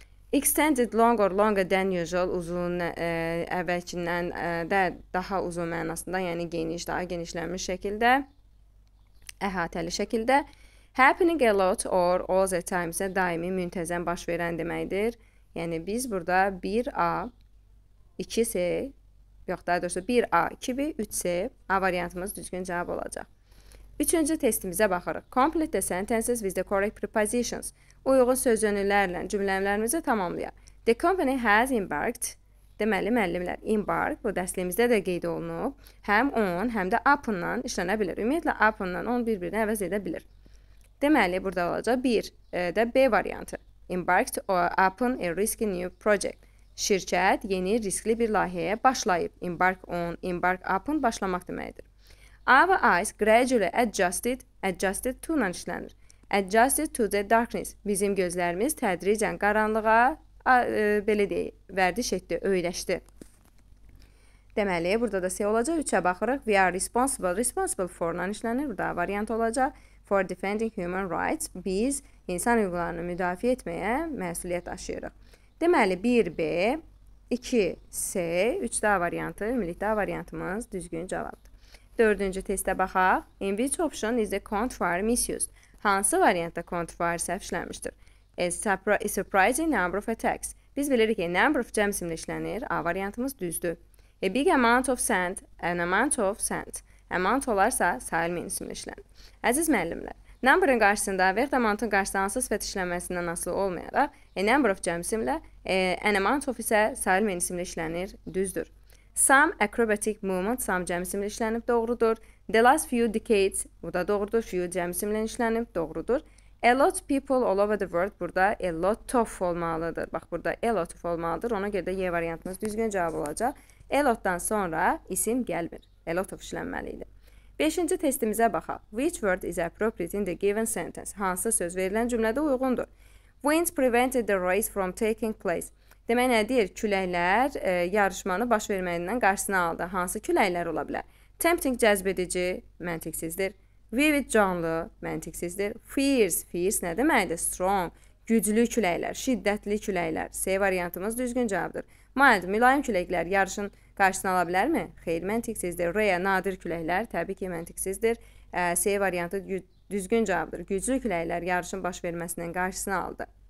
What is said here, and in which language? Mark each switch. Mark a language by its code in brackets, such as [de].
[en] Extended long or longer than usual, [az] uzun, əvvəlkindən də daha uzun mənasında, yəni geniş, daha genişlənmiş şəkildə, əhatəli şəkildə. [en] Happening a lot or all the time [az] isə daimi müntəzəm baş verən deməkdir. Yəni, biz burada 1A, 2C, yox, daha doğrusu 1A, 2B, 3C, A variantımız düzgün cavab olacaq. Üçüncü testimizə baxırıq. [en] Complete the sentences with the correct prepositions. [az] Uyğun söz yönlərlə cümlələrimizi tamamlayaq. [en] The company has embarked. [az] Deməli, müəllimlər, embark bu dərsliyimizdə də qeyd olunub. Həm on, həm də upon-dan işlənə bilir. Ümumiyyətlə, upon-dan on bir-birinə əvəz edə bilir. Deməli, burada olacaq bir də B variantı. [en] Embarked upon a risky new project. [az] Şirkət yeni riskli bir layihəyə başlayıb. [en] Embark on, embark upon [az] başlamaq deməkdir. [en] Our eyes gradually adjusted to [az] ilə işlənir. [en] Adjusted to the darkness. [az] Bizim gözlərimiz tədricən qaranlığa, belə deyək, vərdiş etdi, öyrəşdi. Deməli, burada da C olacaq. Üçə baxırıq. [en] We are responsible. [az] Responsible for ilə işlənir. Burada variant olacaq. [en] For defending human rights. [az] Biz insan hüquqlarını müdafiə etməyə məsuliyyət daşıyırıq. Deməli, 1B, 2C, 3D variantı, ümumilikdə variantımız düzgün cavabdır. Dördüncü testə baxaq. [en] In which option is the contrary misused? [az] Hansı variantda contrary səhv işlənmişdir? [en] A surprising number of attacks. [az] Biz bilirik ki, number of cəm isimli işlənir. A variantımız düzdür. [en] A big amount of sand. An amount of sand. Amount [az] olarsa, sayılmayın isimli işlənir. Əziz müəllimlər, number-ın qarşısında və yaxud amount-ın qarşısında hansı sifət işlənməsindən asılı olmayaraq, a number of cəm isimli, an amount of isə sayılmayın isimli işlənir, düzdür. [en] Some acrobatic movement, [az] some cəm isimli işlənib doğrudur. [en] The last few decades, [az] bu da doğrudur. Few cəm isimli işlənib doğrudur. A lot of people all over the world, burada a lot of olmalıdır. Bax, burada a lot of olmalıdır. Ona görə də Y variantımız düzgün cavab olacaq. A lot-dan sonra isim gəlmir. A lot of işlənməli idi. Beşinci testimizə baxaq. [en] Which word is appropriate in the given sentence? [az] Hansı söz verilən cümlədə uyğundur? [en] Winds prevented the race from taking place. [az] Demək nə deyir? Küləklər yarışmanı baş verməyindən qarşısına aldı. Hansı küləklər ola bilər? Tempting cəzbedici, məntiqsizdir. Vivid canlı, məntiqsizdir. Fierce, fierce nə deməkdir? Strong, güclü küləklər, şiddətli küləklər. C variantımız düzgün cavabdır. Mild, mülayim küləklər yarışın qarşısına ala bilərmi? Xeyr, məntiqsizdir. R-ə nadir küləklər, təbii ki, məntiqsizdir. C variantı düzgün cavabdır. Güclü küləklər yarışın baş verməsindən qarşısına aldı.